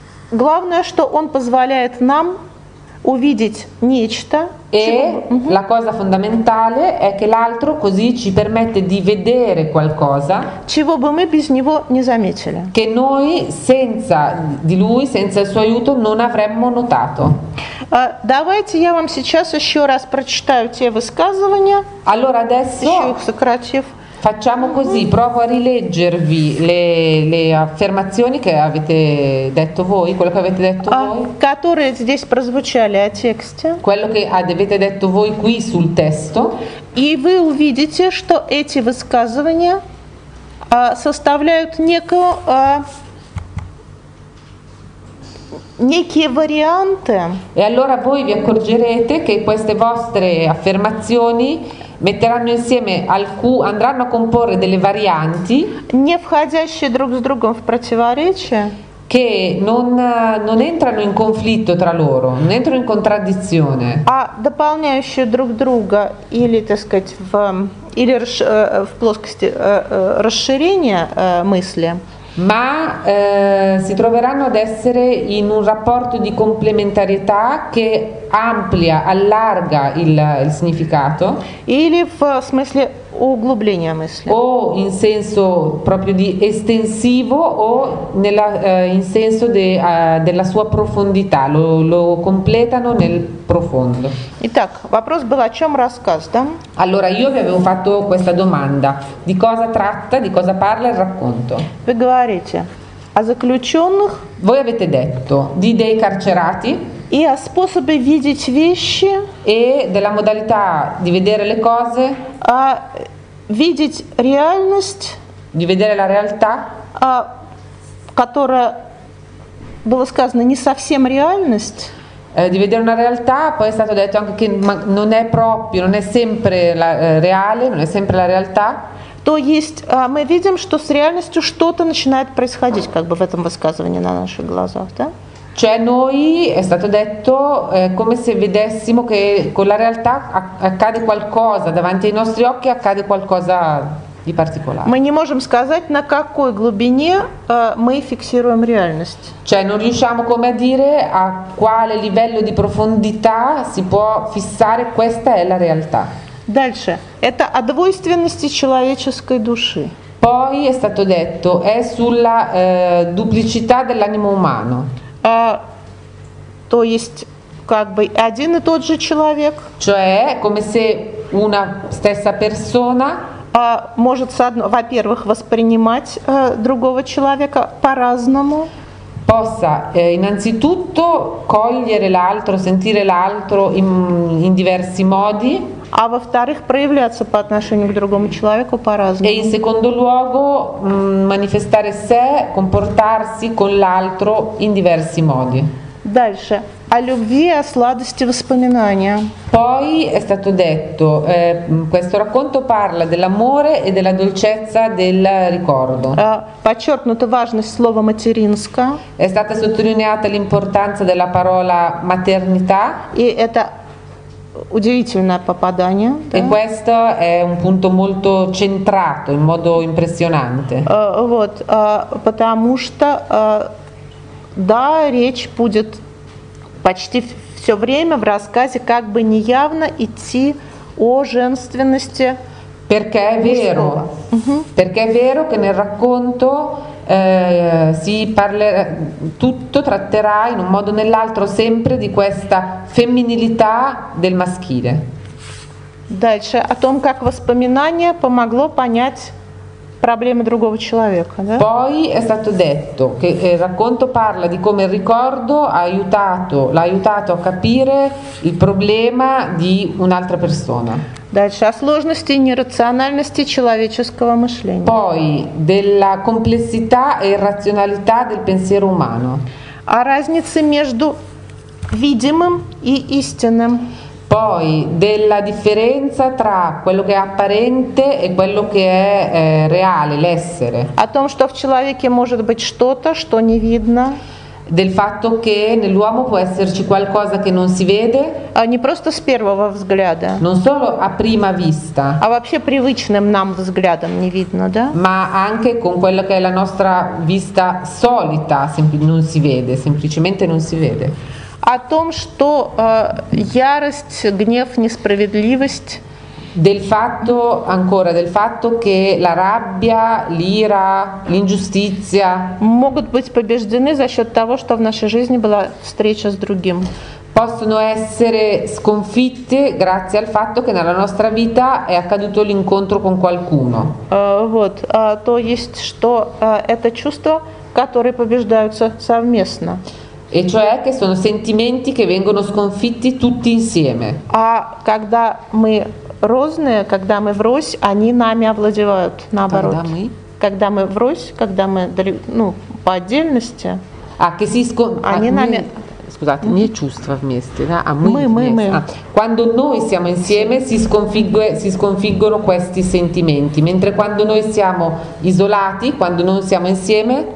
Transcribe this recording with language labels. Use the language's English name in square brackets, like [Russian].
[Russian] Главное, что он позволяет нам увидеть нечто. [Italian] E la cosa fondamentale è che l'altro così ci permette di vedere qualcosa [Russian] чего бы мы без него не заметили. [Italian] Che noi senza di lui, senza il suo aiuto, non avremmo notato. [Russian] Давайте я вам сейчас еще раз прочитаю те высказывания. [Italian] Allora adesso [Russian] еще их сократив. [Italian] Facciamo così, provo a rileggervi le affermazioni che avete detto voi, quello che avete detto voi. [Russian] Которые здесь прозвучали о тексте. [Italian] Quello che avete detto voi qui sul testo. [Russian] И вы увидите, что эти высказывания составляют некие варианты. [Italian] E allora voi vi accorgerete che queste vostre affermazioni metteranno insieme andranno a comporre delle varianti [Russian] не входящие друг с другом в противоречие, [Italian] che non entrano in conflitto tra loro, non entrano in contraddizione, [Russian] а дополняющие друг друга или, так сказать, в плоскости расширения мысли, [Italian] ma si troveranno ad essere in un rapporto di complementarietà che amplia, allarga il significato, [Russian] или в смысле углубления мысли, [Italian] o in senso proprio di estensivo, o in senso della sua profondità, lo completano nel profondo. [Russian] Итак, вопрос был о чем рассказ, да? [Italian] Allora io vi avevo fatto questa domanda: di cosa tratta, di cosa parla il racconto? [Russian] Вы говорите о заключенных. [Italian] Voi avete detto di dei carcerati. [Russian] И о способе видеть вещи. [Italian] E della modalità di vedere le cose. [Russian] А видеть реальность. [Italian] Di vedere la realtà. [Russian] А которая было сказано не совсем реальность. [Italian] Di vedere una realtà, poi è stato detto anche che non è proprio, non è sempre reale, non è sempre la realtà. [Russian] То есть мы видим, что с реальностью что-то начинает происходить, как бы в этом высказывании на наших глазах, да? [Italian] Cioè noi, è stato detto, come se vedessimo che con la realtà accade qualcosa, davanti ai nostri occhi accade qualcosa di particolare. [Russian] Мы не можем сказать, на какой глубине мы фиксируем реальность. [Italian] Cioè non riusciamo come a dire a quale livello di profondità si può fissare questa è la realtà. [Russian] Дальше. Это о двойственности человеческой души. [Italian] Poi è stato detto, è sulla duplicità dell'animo umano. [Russian] То есть как бы один и тот же человек. [Italian] Cioè come se una stessa persona [Russian] может, во-первых, воспринимать другого человека по-разному. [Italian] Possa innanzitutto cogliere l'altro, sentire l'altro in diversi modi. [Russian] А во-вторых, проявляться по отношению к другому человеку по-разному. [Italian] E in secondo luogo manifestare sé, comportarsi con l'altro in diversi modi. [Russian] Дальше. О любви, о сладости воспоминания. [Italian] Poi è stato detto, questo racconto parla dell'amore e della dolcezza del ricordo. [Russian] Подчеркнута важность слова материнска. [Italian] È stata sottolineata l'importanza della parola maternità. [Russian] И это удивительное попадание. [Italian] E questo è un punto molto centrato, in modo impressionante. [Russian] Вот, потому что, да, речь будет почти все время в рассказе как бы неявно идти о женственности. [Italian] Perché è vero? Perché è vero che nel racconto si parlerà, tutto tratterà in un modo o nell'altro sempre di questa femminilità del maschile. [Russian] Дальше о том, как воспоминание помогло понять проблемы другого человека, да? [Italian] Poi è stato detto che il racconto parla di come il ricordo l'ha aiutato a capire il problema di un'altra persona. [Russian] Дальше о сложности и нерациональности человеческого мышления. [Italian] Poi della complessità e irrazionalità del pensiero umano. [Russian] О разнице между видимым и истинным. [Italian] Poi della differenza tra quello che è apparente e quello che è reale, l'essere. [Russian] О том, что в человеке может быть что-то, что не видно. [Italian] Del fatto che nell'uomo può esserci qualcosa che non si vede. [Russian] Не просто с первого взгляда. [Italian] Non solo a prima vista. [Russian] А вообще привычным нам взглядом не видно, да? [Italian] Ma anche con quello che è la nostra vista solita, non si vede, semplicemente non si vede. [Russian] О том, что ярость, гнев, несправедливость. [Italian] Del fatto, ancora, del fatto che la rabbia, l'ira, l'ingiustizia [Russian] могут быть побеждены за счет того, что в нашей жизни была встреча с другим. [Italian] possono essere sconfitte grazie al fatto che nella nostra vita è accaduto l'incontro con qualcuno. [Russian] То есть, что это чувства, которые побеждаются совместно. [Italian] E cioè che sono sentimenti che vengono sconfitti tutti insieme. [Russian] А когда мы разные, когда мы врозь, они нами овладевают, наоборот. Когда мы врозь, когда мы, ну, по отдельности. А [Italian] che si [Russian] они нами [Italian] Scusate, [Russian] не чувства вместе, да? А мы. [Italian] Quando noi siamo insieme si sconfiggono questi sentimenti, mentre quando noi siamo isolati, quando non siamo insieme,